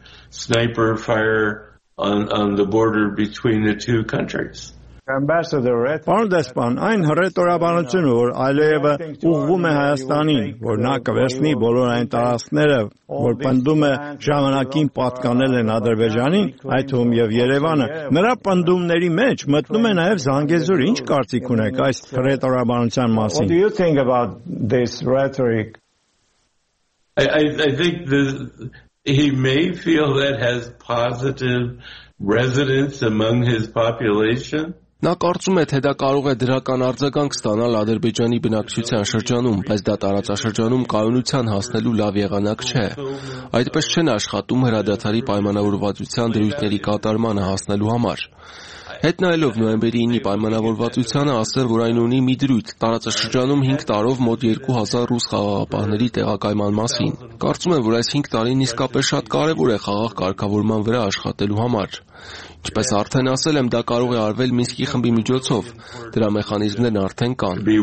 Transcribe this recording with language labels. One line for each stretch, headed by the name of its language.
English: Sniper fire on the border between the two countries.
Armenian: Պարոն Դեսպան, այն հռետորաբանությունը, որ այլևս ուղղվում է Հայաստանին, որ նա կվերցնի բոլոր այն տարածքները, որ պնդում է ժամանակին պատկանել են Ադրբեջանին, այդ թվում եւ Երևանը, նրա պնդումների մեջ մտնում է նաեւ Զանգեզուրը։ Ինչ կարծիք ունեք այս հռետորաբանության մասին?
English: What do you think about this rhetoric? I think he may feel that has positive resonance among his population.
Armenian: Նա կարծում է, թե դա կարող է դրական արձագանք ստանալ Ադրբեջանի բնակչության շրջանում, բայց դա տարածաշրջանում կայունության հասնելու լավ եղանակ չէ։ Այդպես չեն աշխատում հրադադարի պայմանավորվածության դրույթների կատարմանը հասնելու համար։ Հետնայելով նոյեմբերի 9-ի պայմանավորվածությանը, ասել, որ այն ունի մի դրույթ տարածաշրջանում 5 տարով մոտ 2000 ռուս խաղաղապահների տեղակայման մասին։ Կարծում եմ, որ այս 5 տարին իսկապես շատ կարևոր է խաղաղ կարգավորման վրա աշխատելու համար։ Ինչպես արդեն ասել եմ, դա կարող է արվել Մինսկի խմբի միջոցով, դրա մեխանիզմներն արդեն կան։